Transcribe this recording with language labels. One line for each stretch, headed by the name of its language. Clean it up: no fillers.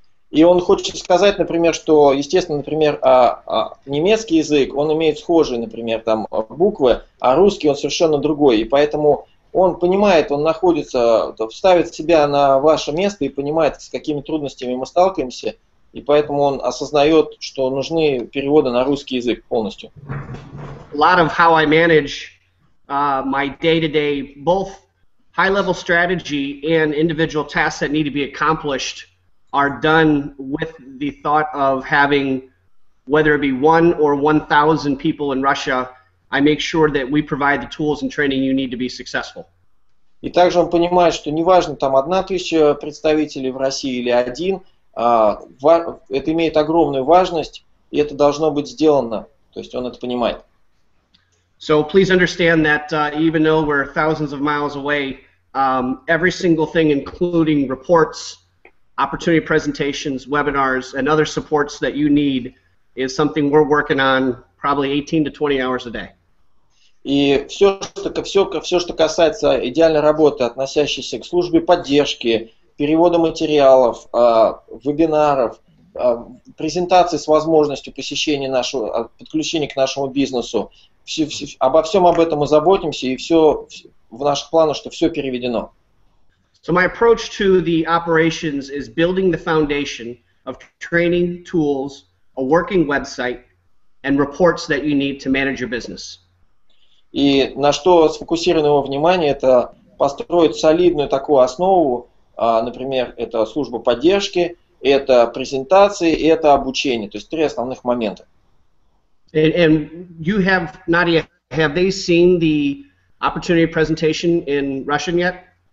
Russian: И он хочет сказать, например, что, естественно, например, немецкий язык, он имеет схожие, например, там, буквы, а русский, он совершенно другой. И поэтому он понимает, он находится, вставит себя на ваше место и понимает, с какими трудностями мы сталкиваемся. И поэтому он осознает, что нужны переводы на русский язык полностью.
English: A lot of how I manage my day-to-day, both high-level strategy and individual tasks that need to be accomplished are done with the thought of having, whether it be one or 1,000 people in Russia, I make sure that we provide the tools and training you need to be successful.
Russian: И также он понимает, что неважно там 1000 представителей в России или один, это имеет огромную важность, и это должно быть сделано. То есть он это понимает.
English: So please understand that even though we're thousands of miles away, every single thing, including reports, opportunity presentations, webinars, and other supports that you need, is something we're working on probably 18 to 20 hours a day.
Russian: И все, что касается идеальной работы, относящейся к службе поддержки, переводу материалов, вебинаров, презентации с возможностью посещения нашего, подключения к нашему бизнесу, обо всем об этом мы заботимся, и все в наших планах, что все переведено.
English: So my approach to the operations is building the foundation of training tools, a working website, and reports that you need to manage your business.
Russian: И на что сфокусировано его внимание, это построить солидную такую основу, например, это служба поддержки, это презентации, и это обучение, то есть три основных момента.
English: And you have, Nadia, have they seen the opportunity presentation in Russian yet?